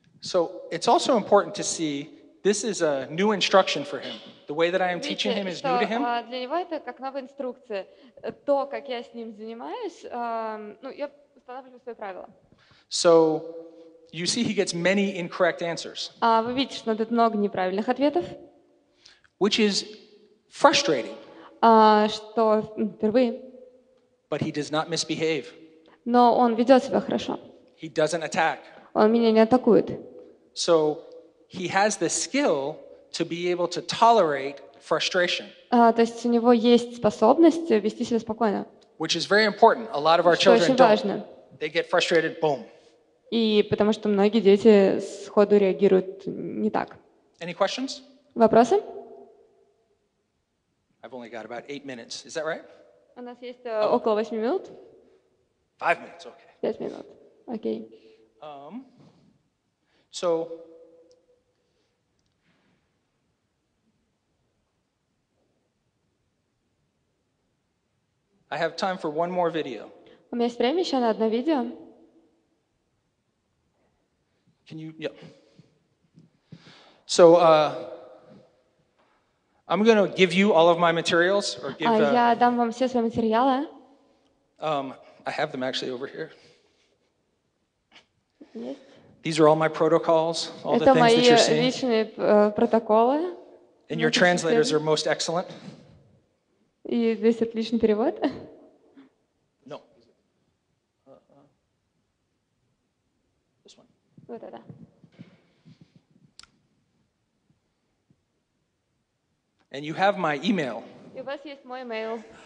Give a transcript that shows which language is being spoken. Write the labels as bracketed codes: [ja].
[en] So it's also important to see this is a new instruction for him. The way that I am [ru] Видите, [en] teaching him is [ru] что, [en] new to him. [ru] Для него это как новая инструкция. То, как я с ним занимаюсь, я устанавливаю свои правила. [en] So you see he gets many incorrect answers. [ru] Вы видите, что он дает много неправильных ответов. [en] Which is frustrating. [ru] Что впервые. [en] But he does not misbehave. [ru] Но он ведет себя хорошо. [en] He doesn't attack. [ru] Он меня не атакует. [en] So he has the skill to be able to tolerate frustration. [ru] То есть у него есть способность вести себя спокойно. [en] Which is very important. A lot of our children don't. They get frustrated, boom. [ru] И потому что многие дети сходу реагируют не так. [en] Any questions? [ru] Вопросы? [en] I've only got about 8 minutes. Is that right? [ru] У нас есть около 8 минут. [en] 5 minutes, okay. [ru] 5 минут, окей. [en] So, I have time for one more video. [ru] У меня есть время еще на одно видео. [en] Can you? Yeah. So, I'm going to give you all of my materials, or give. [ru] Я дам вам все свои материалы. [en] I have them actually over here. Yes. These are all my protocols, all [ru] это [en] the things that you're seeing. [ru] Это мои личные протоколы. [en] And your translators are most excellent. [ru] И здесь отличный перевод. [en] No. [ru] Вот это. [en] And you have my email. [ru] И у вас есть мой email.